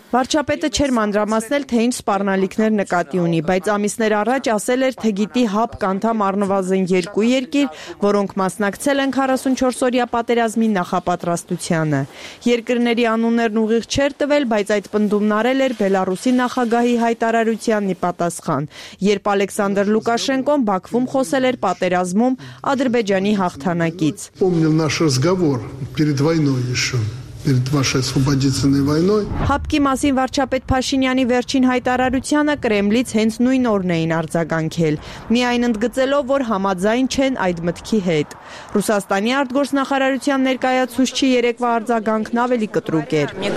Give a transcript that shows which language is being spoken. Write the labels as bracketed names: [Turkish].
[Armenian] Վարչապետը չէր մանրամասնել, թե ինչ սպառնալիքներ նկատի ունի, բայց ամիսներ առաջ ասել էր, թե գիտի ՀԱՊ կանդամ առնվազն 2 երկիր, որոնք մասնակցել են 44-օրյա պատերազմի նախապատրաստությանը։ Երկրների անուններն ուղիղ չէր տվել, բայց այդ պնդումն արել էր Բելարուսի նախագահի հայտարարությանն ի պատասխան, երբ Ալեքսանդր Լուկաշենկոն Բաքվում խոսել էր պատերազմում Ադրբեջանի հաղթանակից։ [Russian] Помнил наш разговор перед войной ещё. [Armenian] Հապկի մասին վարչապետ Փաշինյանի վերջին հայտարարությանը Կրեմլից հենց նույն օրն էին արձագանքել, միայն ընդգծելով, որ համաձայն չեն այդ մտքի հետ։ Ռուսաստանի արտգործնախարարության ներկայացուցչի երեկվա արձագանքն ավելի կտրուկ էր.